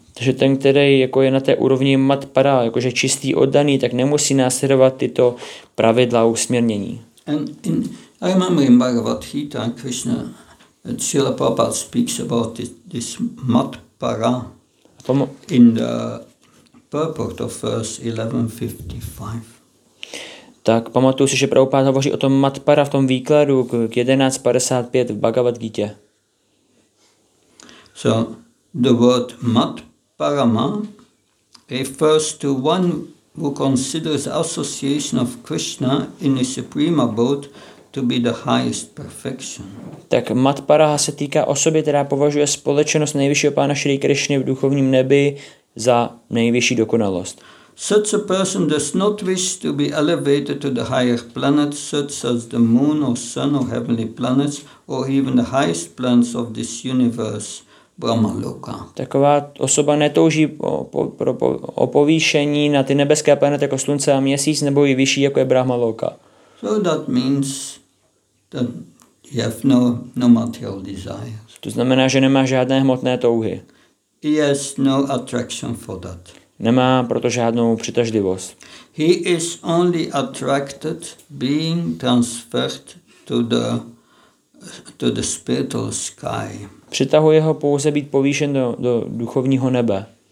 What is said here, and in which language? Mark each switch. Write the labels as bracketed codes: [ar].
[cs] Takže ten, který jako je na té úrovni matpara, jakože čistý oddaný, tak nemusí následovat tyto pravidla usměrnění. [en] I remember in Bhagavad-gita, Krishna, Srila Prabhupada speaks about this matpara in the purport of verse 1155. [cs] Tak pamatuju si, že Prabhupada hovoří o tom matpara v tom výkladu k 1155 v Bhagavad-gitě. [en] So the word matpara Parama refers to one who considers association of Krishna in his supreme abode to be the highest perfection. [cs] Tak matpara se týká osoby, která považuje společnost nejvyššího pána Šri Krishny v duchovním nebi za nejvyšší dokonalost. [en] Such a person does not wish to be elevated to the higher planets, such as the moon or sun or heavenly planets, or even the highest planets of this universe. [cs] Taková osoba netouží o povýšení na ty nebeské planety jako slunce a měsíc nebo i vyšší jako je Brahmaloka. [en] So that means that you have no material desires. [cs] To znamená, že nemá žádné hmotné touhy. [en] He has no attraction for that. [cs] Nemá proto žádnou přitažlivost. [en] He is only attracted being transferred to the spiritual sky. [cs] Přitahuje ho pouze být povýšen do duchovního nebe.